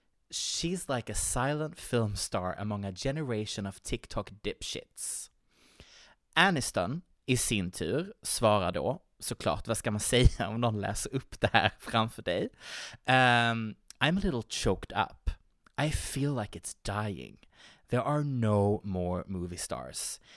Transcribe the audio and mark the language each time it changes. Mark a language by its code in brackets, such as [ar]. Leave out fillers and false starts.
[en] She's like a silent film star among a generation of TikTok dipshits. [sv] Aniston i sin tur svarar då, såklart, vad ska man säga om någon läser upp det här framför dig? [en] I'm a little choked up. I feel like it's dying. There are no more movie stars.